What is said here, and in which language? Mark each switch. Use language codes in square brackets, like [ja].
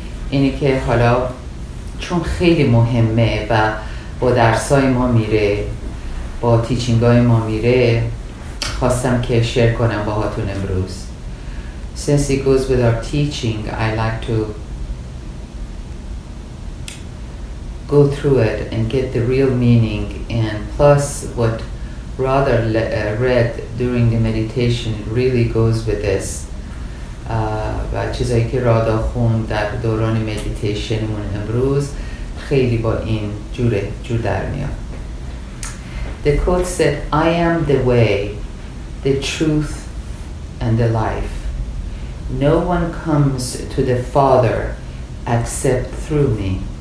[fa] اینه که حالا چون خیلی مهمه و با درسای ما میره، با تیچینگای ما میره، خواستم که شیر کنم با هاتون امروز. [en] Since it goes with our teaching, I like to go through it and get the real meaning. And plus what Radha read during the meditation really goes with this. [fa] و چیزایی که Radha خوند در دوران مدیتیشنمون امروز خیلی با این جور در میاد. [en] The quote said, I am the way, the truth and the life. No one comes to the Father except through me.